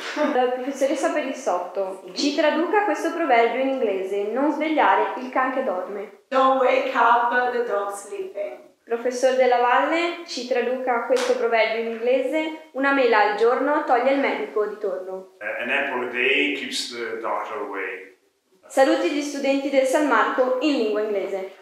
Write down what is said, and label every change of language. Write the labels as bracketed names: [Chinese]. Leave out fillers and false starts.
[Italian] Professoressa Pelissotto, ci traduca questo proverbio in inglese: non svegliare il can che dorme. [English] Don't wake up the dog sleeping. [Italian] Professor Della Valle, ci traduca questo proverbio in inglese: una mela al giorno toglie il medico di torno. [English] An apple a day keeps the doctor away. [Italian] Saluti gli studenti del San Marco in lingua inglese.